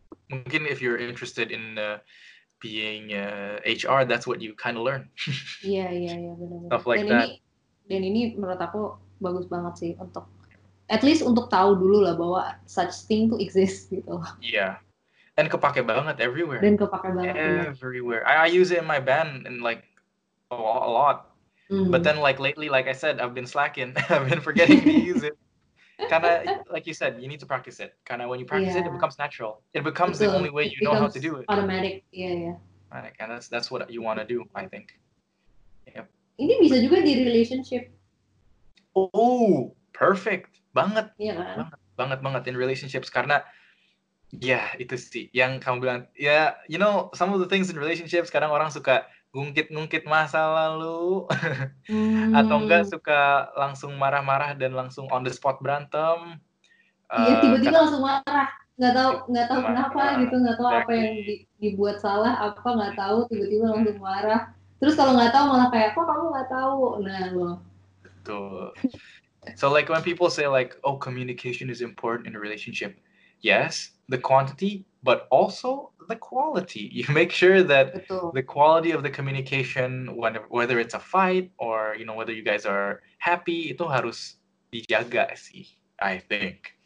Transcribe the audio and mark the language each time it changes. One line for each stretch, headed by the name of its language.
English: Mungkin if you're interested in being HR, that's what you kind of learn.
Indonesian: Iya, benar-benar.
English: Stuff like
Indonesian: dan
English: that.
Indonesian: Ini menurut aku bagus banget sih untuk at least untuk tahu dulu lah bahwa
English: such thing to exist
Indonesian: gitu.
English: Yeah. And kepake banget everywhere.
Indonesian: Dan kepake banget
English: everywhere. I use it in my band and like a lot. But then like lately, like I said, I've been slacking. I've been forgetting to use it. Karena like you said, you need to practice it. Karena when you practice it becomes natural. It becomes
Indonesian: Betul.
English: The only way it you know how to do it. Automatic. Yeah. And that's what you want to do, I think. Yep.
Indonesian: Ini bisa juga di relationship. Oh, perfect. Banget. Iya kan? Banget banget in relationships karena yeah, itu sih yang kamu bilang.
English: Yeah, you know, some of the things in relationships
Indonesian: kadang orang suka ngungkit-ngungkit masa lalu atau enggak suka langsung marah-marah dan langsung on the spot berantem. Iya, tiba-tiba langsung marah. Enggak tahu marah. Kenapa gitu, enggak tahu apa yang dibuat salah, apa enggak tahu tiba-tiba langsung marah. Terus kalau enggak tahu malah kayak kok kamu enggak tahu. Nah, lo. Betul.
English: So like when people say like, oh, communication is important in a relationship. Yes, the quantity, but also the quality. You make sure that
Indonesian: Betul.
English: The quality of the communication, whether it's a fight or you know whether you guys are happy,
Indonesian: itu harus dijaga sih,
English: I think.